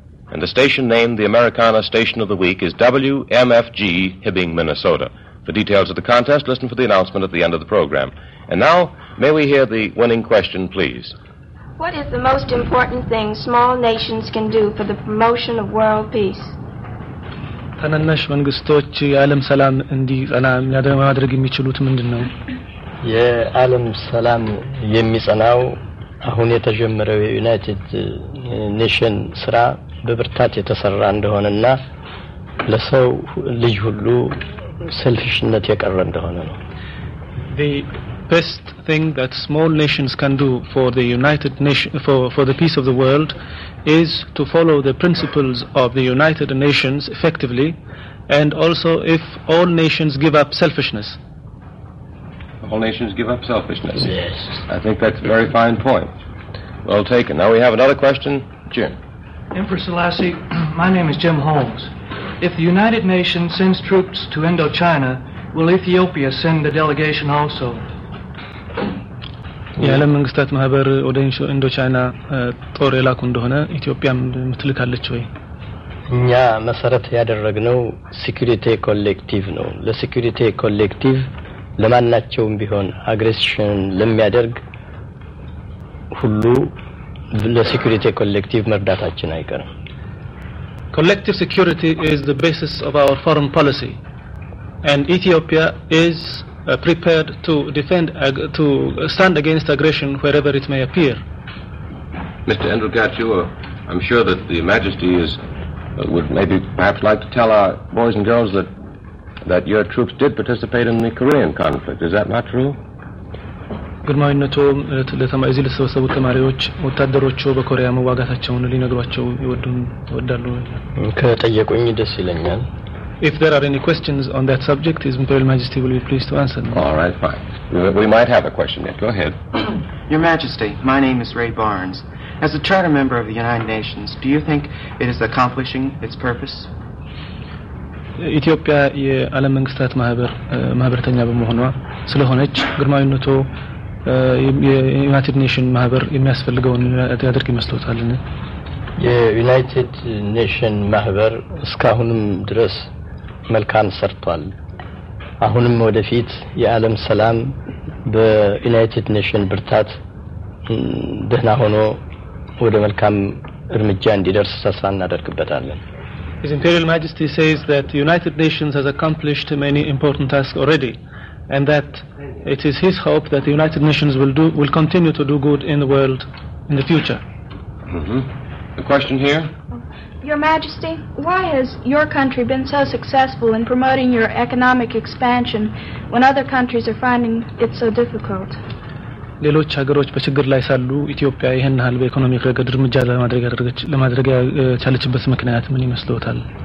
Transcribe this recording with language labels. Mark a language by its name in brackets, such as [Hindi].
[English] And the station name, the Americana Station of the Week, is WMFG, Hibbing, Minnesota. For details of the contest, listen for the announcement at the end of the program. And now, may we hear the winning question, please. What is the most important thing small nations can do for the promotion of world peace? [Amharic] ተነነሽ መንግስቶች የዓለም ሰላም እንዲጸና ማድረግ የሚችሉት ምንድነው? የዓለም ሰላም የሚጸናው አሁን የተጀመረው የዩናይትድ ኔሽን ስራ በብርታት የተሰራ እንደሆነና ለሰው ልጅ ሁሉ ሰልፊሽነት የቀረ እንደሆነ ነው። [English] Best thing that small nations can do for the United Nation for the peace of the world is to follow the principles of the United Nations effectively, and also if all nations give up selfishness. All nations give up selfishness. Yes. I think that's a very fine point. Well taken. Now we have another question. Jim. Emperor Selassie, my name is Jim Holmes. If the United Nations sends troops to Indochina, will Ethiopia send a delegation also? [Amharic] የዓለም መንግስታት ማህበር ወደ ኢንዶቻይና ጦር የላኩ እንደሆነ ኢትዮጵያም ምትልካለች ወይ? እኛ መሰረት ያደረግነው ሴኩሪቲ ኮሌክቲቭ ነው። ለሴኩሪቲ ኮሌክቲቭ ለማናቸውም ቢሆን አግሬሽን ለሚያደርግ ሁሉ ለሴኩሪቲ ኮሌክቲቭ መርዳታችን አይቀርም። [English] Collective security is the basis of our foreign policy, and Ethiopia is prepared to defend to stand against aggression wherever it may appear. Mr. Endelgatu, I'm sure that the Majesty is would maybe perhaps like to tell our boys and girls that your troops did participate in the Korean conflict. Is that not true? [Amharic] ግርማዊነቶ ለተማ እዚህ ለተሰበሰቡ ተማሪዎች ወታደሮቹ በኮሪያ መዋጋታቸውን ሊነግሯቸው ይወዱን ይወዳሉ። ከጠየቁኝ ደስ ይለኛል። [English] If there are any questions on that subject, His Imperial Majesty will be pleased to answer them. All right, fine. We might have a question yet. Go ahead. Your Majesty, my name is Ray Barnes. As a charter member of the United Nations, do you think it is accomplishing its purpose? [Amharic] ኢትዮጵያ የዓለም መንግስታት ማህበርተኛ በመሆኗ ስለሆነች ግርማዊነቶ የዩናይትድ ኔሽን ማህበር የሚያስፈልገውን ያድርግ ይመስሎታልን? የዩናይትድ ኔሽን ማህበር እስካሁንም ድረስ መልካም ሰርቷል። አሁንም ወደፊት የዓለም ሰላም በዩናይትድ ኔሽን ብርታት ደህና ሆኖ ወደ መልካም እርምጃ እንዲደርስ ተስፋ እናደርጋለን። [English] His Imperial Majesty says that the United Nations has accomplished many important tasks already, and that it is his hope that the United Nations will continue to do good in the world in the future. Mm-hmm. A question here. Your Majesty, why has your country been so successful in promoting your economic expansion when other countries are finding it so difficult? [Amharic] ሌሎች ሀገሮች በችግር ላይ ሳሉ ኢትዮጵያ ይሄን ሀል በኢኮኖሚክ ረገድ እርምጃ ለማድረግ ቻለችበት ምክንያት ምን ይመስላል?